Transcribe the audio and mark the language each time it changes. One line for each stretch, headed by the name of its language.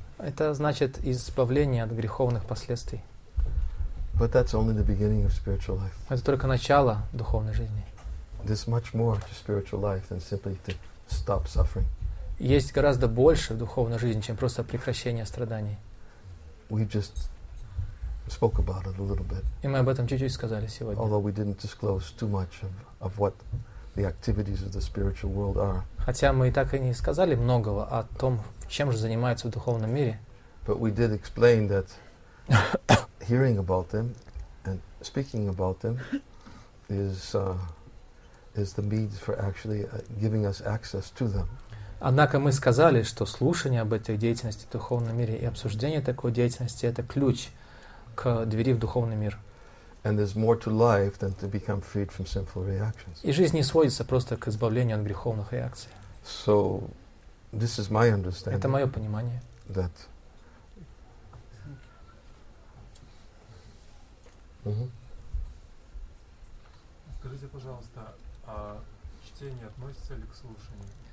Russian: Это значит избавление от греховных последствий.
English: But that's only the beginning of spiritual life.
Russian: Это только начало духовной жизни.
English: There's much more to spiritual life than simply to stop suffering.
Russian: Есть гораздо больше в духовной жизни, чем просто прекращение страданий.
English: We just spoke about it a little bit.
Russian: И мы об этом чуть-чуть сказали сегодня.
English: Although we didn't disclose too much of what the activities of the spiritual world are.
Russian: Хотя мы и так и не сказали многого о том, чем же занимаются в духовном мире.
English: But we did explain that hearing about them and speaking about them is the means for actually giving us access to them.
Russian: Однако мы сказали, что слушание об этой деятельности в духовном мире и обсуждение такой деятельности — это ключ к двери в духовный мир.
English: And there's more to life than to become freed from sinful reactions.
Russian: И жизнь не сводится просто к избавлению от греховных реакций.
English: So, this is my understanding.
Russian: Это мое понимание.
English: That.
Russian: Скажите, пожалуйста, чтение относится ли к слушанию?